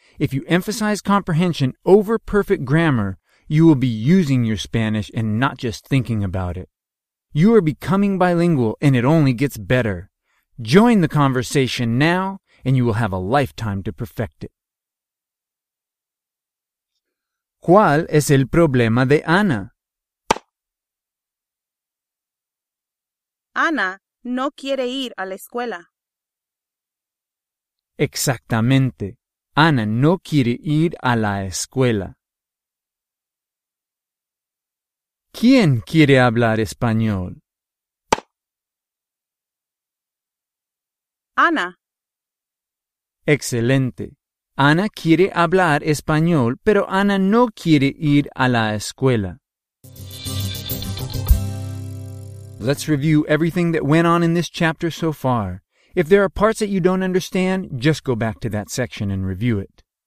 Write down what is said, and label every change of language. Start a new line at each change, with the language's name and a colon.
English: If you emphasize comprehension over perfect grammar, you will be using your Spanish and not just thinking about it. You are becoming bilingual and it only gets better. Join the conversation now and you will have a lifetime to perfect it.
Spanish: ¿Cuál es el problema de Ana? Ana no quiere ir a la escuela. Exactamente. Ana no quiere ir a la escuela. ¿Quién quiere hablar español? Ana. Excelente. Ana quiere hablar español, pero Ana no quiere ir a la escuela.
English: Let's review everything that went on in this chapter so far. If there are parts that you don't understand, just go back to that section and review it.